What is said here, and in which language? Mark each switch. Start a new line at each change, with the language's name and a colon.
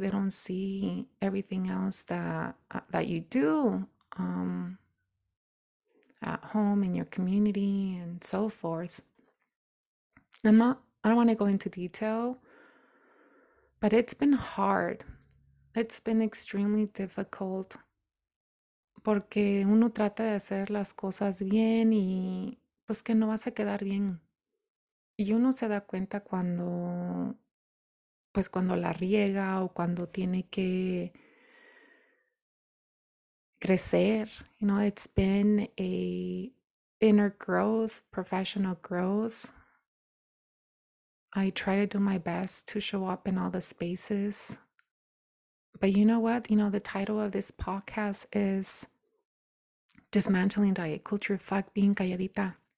English: They don't see everything else that you do at home, in your community, and so forth. I don't want to go into detail, but it's been hard. It's been extremely difficult.
Spanish: Porque uno trata de hacer las cosas bien y pues que no vas a quedar bien. Y uno se da cuenta cuando la riega o cuando tiene que crecer.
English: You know, it's been a inner growth, professional growth. I try to do my best to show up in all the spaces. But you know what? You know, the title of this podcast is Dismantling Diet Culture, Fuck Being Calladita.